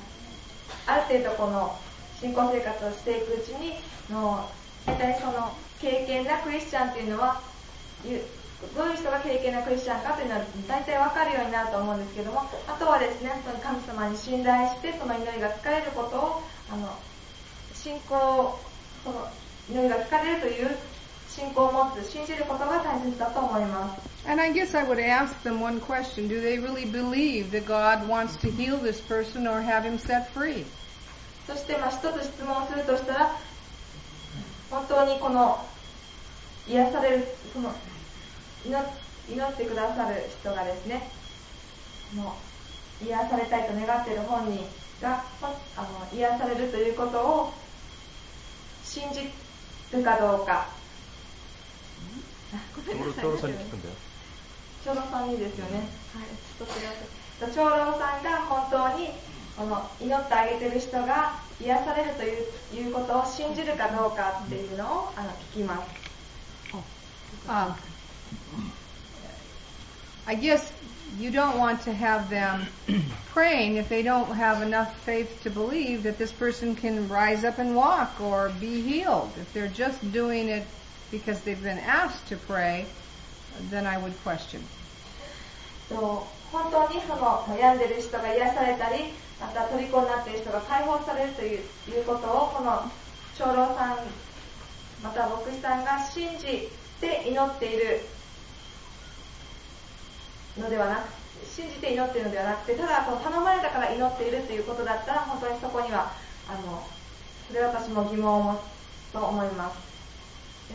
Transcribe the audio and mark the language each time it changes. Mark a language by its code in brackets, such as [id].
[ja] 信仰生活が長くなるある程度この信仰生活をしていくうちに、大体その敬虔なクリスチャンというのは、どういう人が敬虔なクリスチャンかというのは大体分かるようになると思うんですけども、あとはですね、その神様に信頼して、その祈りが聞かれることを、信仰、その祈りが聞かれるという信仰を持つ、信じることが大切だと思います。 [en] And I guess I would ask them one question. Do they really believe that God wants to heal this person or have him set free? [ja] そして一つ質問をするとしたら、本当にこの癒されるその 祈ってくださる人がですね、もう癒されたいと願っている本人が癒されるということを信じるかどうか。長老さんに聞くんだよ。長老さんにですよね。はい、ちょっと違います。長老さんが本当に祈ってあげてる人が癒されるということを信じるかどうかっていうのを聞きます。 [en] I guess you don't want to have them praying if they don't have enough faith to believe that this person can rise up and walk or be healed. If they're just doing it because they've been asked to pray, then I would question. [ja] So, 本当にその悩んでる人が癒されたり、また虜になっている人が解放されるということをこの長老さん、また牧師さんが信じて祈っているのではなく、信じて祈っているのではなくて、ただこう頼まれたから祈っているということだったら、本当にそこにはそれは私も疑問を持つと思います。